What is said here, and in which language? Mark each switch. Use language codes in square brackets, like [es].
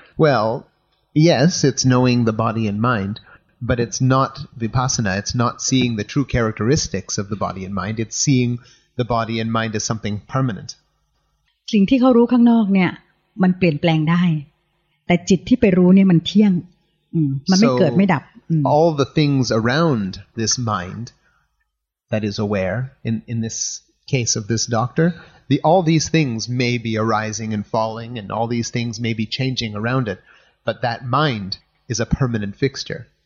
[en] Well, yes, it's knowing the body and mind. But it's not vipassana, it's not seeing the true characteristics of the body and mind, it's seeing the body and mind as something permanent. [th] สิ่งที่เขารู้ข้างนอกเนี่ยมันเปลี่ยนแปลงได้แต่จิตที่ไปรู้เนี่ยมันเที่ยงมันไม่เกิดไม่ดับ [en] All the things around this mind that is aware, in this case of this doctor, all these things may be arising and falling and all these things may be changing around it, but that mind is a permanent fixture.